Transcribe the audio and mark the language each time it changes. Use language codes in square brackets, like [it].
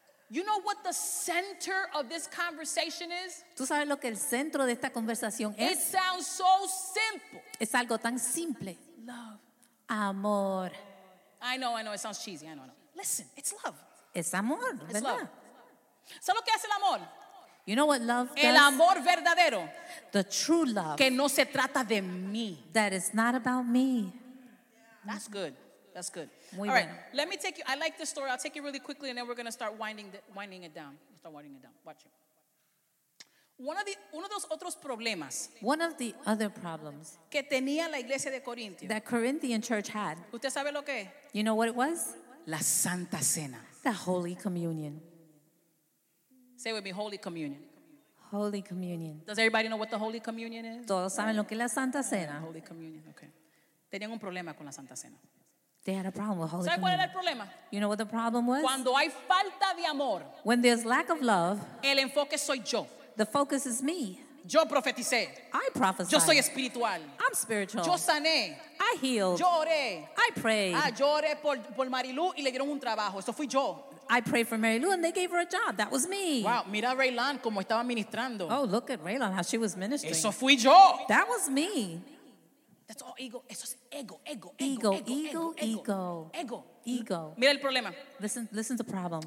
[en] You know what the center of this conversation is? [es] ¿Tú sabes lo que el centro de esta conversación es? [en] It sounds so simple. [es] Es algo tan simple. [en] Love. [es] Amor. [en] I know. It sounds cheesy. I know. Listen, it's love. [es] Es amor, ¿verdad? [en] It's love. [es] ¿Sabes lo que hace el amor? [en] You know what love does? [es] El amor verdadero. [en] The true love. [es] Que no se trata de mí. [en] That is not about me. That's good. That's good. [es] Muy [en] all [es] bien. [en] Right. Let me take you. I like this story. I'll take it really quickly, and then we're going to start winding it down. Start winding it down. Watch it. [es] Uno de los otros problemas. [en] One of the other problems. [es] Que tenía la iglesia de Corintio. [en] That Corinthian church had. [es] ¿Usted sabe lo que? [en] You know what it was? [es] La Santa Cena. [en] The Holy Communion. Say with me, Holy Communion. Holy Communion. Does everybody know what the Holy Communion is? [es] Todos saben lo que es la Santa Cena. [en] Holy Communion, okay. [es] Tenían un problema con la Santa Cena. [en] They had a problem with Holy [es] ¿sabe [en] Communion. [es] ¿Cuál era el problema? [en] You know what the problem was? [es] Cuando hay falta de amor. [en] When there's lack of love. [es] El enfoque soy yo. [en] The focus is me. [es] Yo profeticé. [en] I prophesied. [es] Yo soy espiritual. [en] I'm spiritual. [es] Yo sané. [en] I healed. [es] Yo oré. [en] I prayed. [es] Ah, yo oré por Marilu y le dieron un trabajo. Eso fui yo. [en] I prayed for Mary Lou and they gave her a job. That was me. [es] Wow, mira Raylan como estaba ministrando. [en] Oh, look at Raylan how she was ministering. [es] Eso fui yo. [en] That was me. That's all ego. [es] Eso es ego, ego, ego, ego, ego, ego, ego, ego. Mira el problema. [en] Listen to the problem.